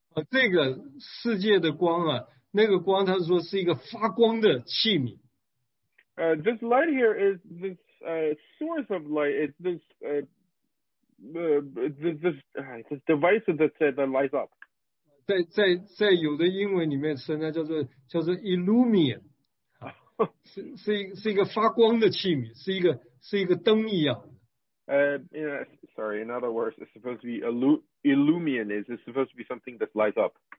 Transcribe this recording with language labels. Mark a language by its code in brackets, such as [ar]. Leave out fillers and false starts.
[zh] 啊, 这个世界的光啊, 那个光他说是一个发光的器皿。 [en] This light here is this source of light. It's this... This device that said that lights up. [zh] 在有的英文里面称它叫做 illumine, 是一个发光的器皿，是一个灯一样的。 [en] In other words, it's supposed to be illumine. It's supposed to be something that lights up.